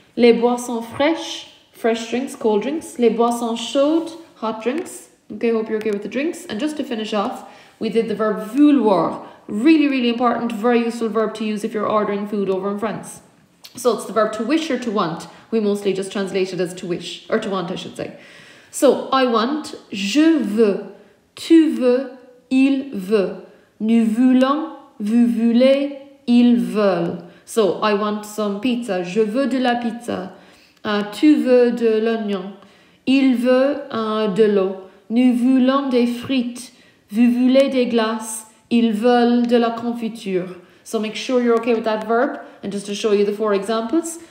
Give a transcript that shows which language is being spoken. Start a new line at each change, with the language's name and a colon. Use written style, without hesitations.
French: Les boissons fraîches,
English: fresh drinks, cold drinks.
French: Les boissons chaudes,
English: hot drinks. Okay, hope you're okay with the drinks. And just to finish off, we did the verb vouloir. Really, really important, very useful verb to use if you're ordering food over in France. So it's the verb to wish or to want. We mostly just translate it as to wish, or to want, I should say. So, I want,
French: je veux, tu veux, il veut. Nous voulons, vous voulez, ils veulent.
English: So, I want some pizza.
French: Je veux de la pizza. Tu veux de l'oignon. Il veut de l'eau. Nous voulons des frites. Vous voulez des glaces. Ils veulent de la confiture.
English: So make sure you're okay with that verb. And just to show you the four examples.